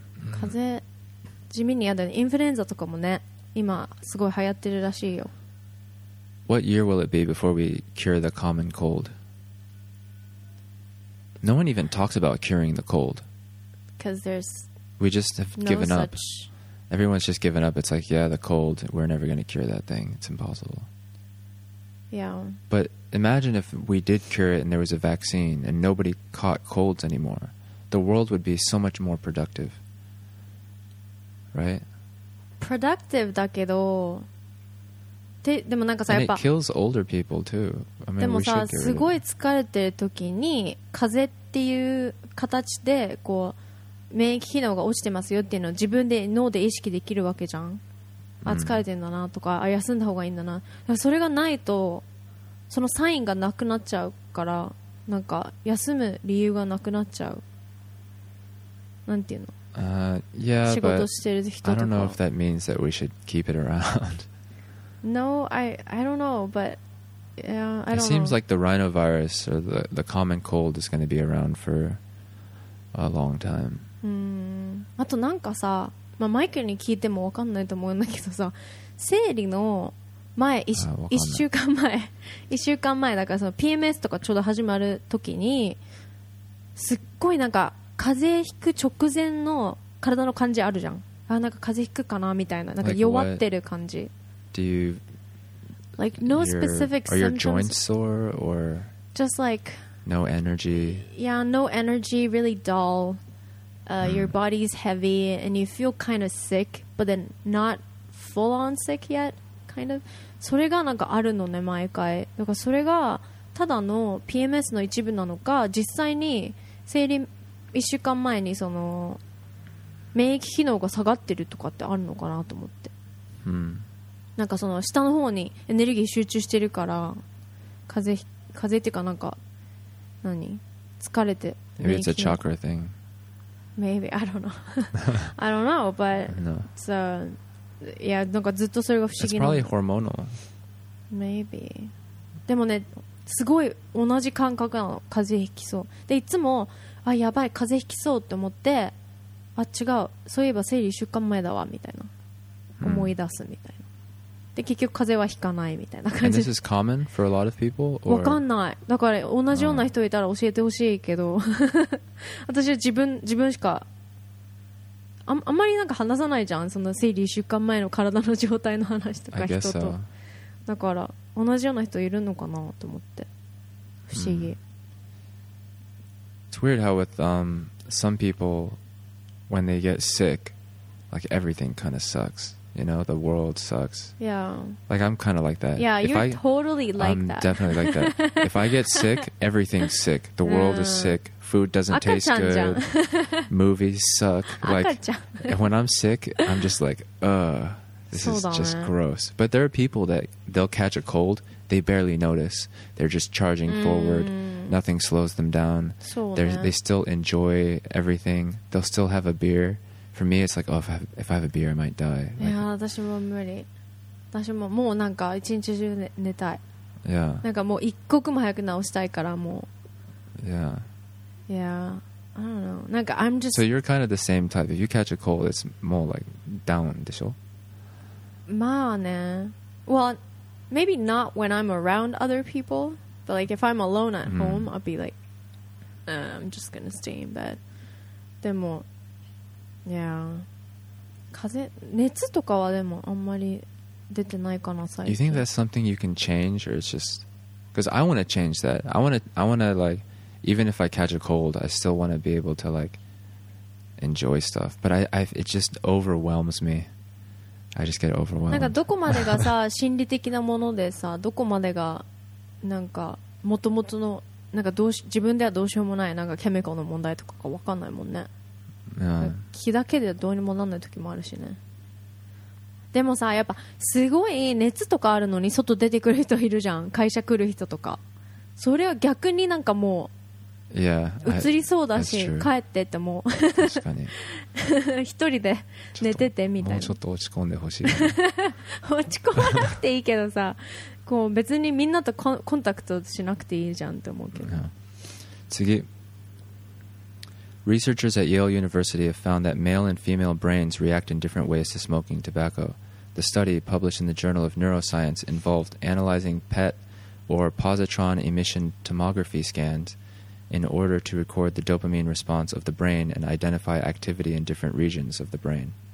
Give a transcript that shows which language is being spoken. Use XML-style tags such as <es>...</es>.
<ja>風邪、地味に嫌だね。インフルエンザとかもね、今すごい流行ってるらしいよ。</ja> <en>What year will it be before we cure the common cold? No one even talks about curing the cold. Because there's we just have no given such... up. Everyone's just given up. It's like, yeah, the cold, we're never going to cure that thing. It's impossible. Yeah. But imagine if we did cure it and there was a vaccine and nobody caught colds anymore. The world would be so much more productive. Right?</en> <ja>Productive, だけど...でもなんかさ、やっぱ、</ja> <en>and it kills older people too. I mean,</en> <ja>でもさ、すごい疲れてる時に風邪っていう形でこう免疫機能が落ちてますよっていうのを自分で脳で意識できるわけじゃん、mm. あ疲れてるんだなとか、あ休んだ方がいいんだな、だからそれがないとそのサインがなくなっちゃうから、なんか休む理由がなくなっちゃう、なんていうの、</ja> <en>yeah,</en> <ja>仕事してる人とか、</ja> <en>I don't know if that means that we should keep it around No, I don't know, but yeah, I don't know. It seems like the rhinovirus or the common cold is going to be around for a long time.</en> <ja>あとなんかさ、まあ、マイケルに聞いてもわかんないと思うんだけどさ、生理の前、1週間前、1週間前だからその PMS とかちょうど始まる時に、すっごいなんか風邪ひく直前の体の感じあるじゃん。あ、なんか風邪ひくかなみたいな、なんか弱ってる感じ。</ja> <en>Like what? Do you like no your, specific are your joints sore or just like no energy? Yeah, no energy, really dull. Your body's heavy and you feel kind of sick, but then not full on sick yet, kind of.</en> <ja>それがなんかあるのね、毎回。だからそれがただの PMS の一部なのか、実際に生理1週間前にその免疫機能が下がってるとかってあるのかなと思って。なんかその下の方にエネルギー集中してるから、風っていうか、なんか何疲れて、</ja> <en>Maybe it's a chakra thing. Maybe, I don't know. I don't know, but no. It's a yeah,</en> <ja>なんかずっとそれが不思議な、</ja> <en>It's probably hormonal. Maybe.</en> <ja>でもね、すごい同じ感覚なの、風邪ひきそうで、いつもあやばい風邪ひきそうって思って、あ違う、そういえば生理1週間前だわみたいな、思い出すみたいな、で結局風邪はひかないみたいな感じ。</ja> <en>And this is common for a lot of people?</en> <ja>わかんない、だから同じような人いたら教えてほしいけど、私は自分しか あんまりなんか話さないじゃん、その生理1週間前の体の状態の話とか人と、</ja> <en>I guess so.</en> <ja>だから同じような人いるのかなと思って、不思議、</ja> <en>It's weird how with some people when they get sick, like everything kind of sucksYou know, the world sucks. Yeah. Like, I'm kind of like that. Yeah, I'm definitely like that. If I get sick, everything's sick. The world is sick. Food doesn't taste good. Movies suck. Like, when I'm sick, I'm just like, this is just gross. But there are people that they'll catch a cold. They barely notice. They're just charging forward. Nothing slows them down. They still enjoy everything. They'll still have a beer. For me, it's like, oh, if I have a beer, I might die. Like, yeah,</en> <ja>私も無理。私ももうなんか一日中寝たい。</ja> <en>Yeah.</en> <ja>なんかもう一刻も早く治したいからもう。</ja> <en>Yeah. Yeah. I don't know.</en> <ja>なんか</ja> <en>I'm just... So you're kind of the same type. If you catch a cold, it's more like down,</en> <ja>でしょ? まあね。</ja> <en>Well, maybe not when I'm around other people. But like if I'm alone at home, I'll be like, I'm just going to stay in bed.</en> <ja>でも、</ja> <en>Yeah.</en> <ja>風、熱とかはでもあんまり出てないかな、最近。</ja> <en>You think that's something you can change or it's just Because I want to change that. I want to like, even if I catch a cold, I still want to be able to like enjoy stuff. But I it just overwhelms me. I just get overwhelmed.</en> <ja>なんかどこまでがさ心理的なものでさどこまでがなんか元々のなんかどうし自分ではどうしようもないなんかケミカルの問題とかが分かんないもんね。気だけでどうにもなんない時もあるしね。でもさやっぱすごい熱とかあるのに外出てくる人いるじゃん。会社来る人とか。それは逆になんかもう移りそうだし帰ってってもう確かに一人で寝ててみたいな。もうちょっと落ち込んでほしい。落ち込まなくていいけどさ、こう別にみんなとコンタクトしなくていいじゃんって思うけど。次。</ja> <en>Researchers at Yale University have found that male and female brains react in different ways to smoking tobacco. The study, published in the Journal of Neuroscience, involved analyzing PET or positron emission tomography scans in order to record the dopamine response of the brain and identify activity in different regions of the brain.</en>